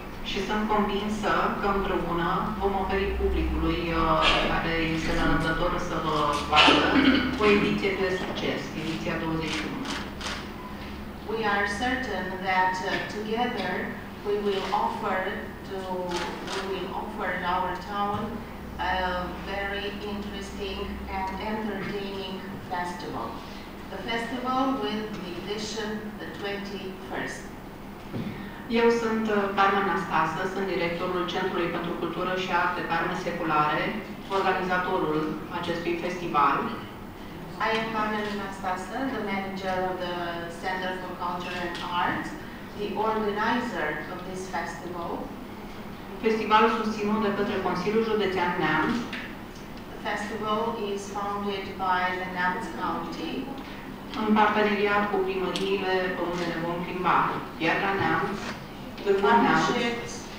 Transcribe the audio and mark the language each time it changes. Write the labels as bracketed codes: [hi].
[ro] Și sunt convinsă că împreună vom oferi publicului care este nerăbdător să vă vadă o ediție de succes, ediția 21. [en] We are certain that together we will offer our town a very interesting and entertaining festival. The festival with the edition the 21st. [ro] Eu sunt Carmen Năstase, sunt directorul Centrului pentru Cultură și Arte Carmen Seculare, organizatorul acestui festival. [en] I am Carmen Năstase, the manager of the Center for Culture and Arts, the organizer of this festival. [ro] Festivalul susținut de către Consiliul Județean Neamț. [en] The festival is founded by the Neamț County. [ro] În parteneriat cu primăriile pe unde ne vom plimba, Piatra Neamț, Târgu Neamț.